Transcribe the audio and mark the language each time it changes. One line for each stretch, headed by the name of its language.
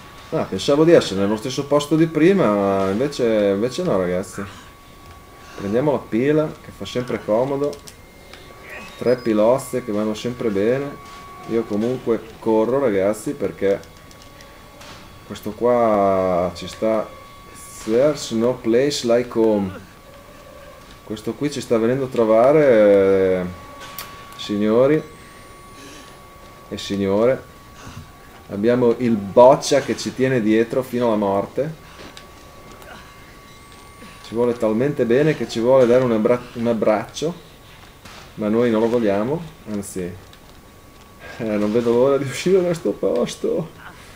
Italian: Ah, pensavo di essere nello stesso posto di prima, invece no, ragazzi. Prendiamo la pila, che fa sempre comodo. Tre pilozze che vanno sempre bene. Io comunque corro, ragazzi, perché questo qua ci sta.
English: There's no place like home.
Italian: Questo qui ci sta venendo a trovare, signori e signore. Abbiamo il boccia che ci tiene dietro fino alla morte. Ci vuole talmente bene che ci vuole dare un abbraccio, ma noi non lo vogliamo, anzi, non vedo l'ora di uscire da questo posto.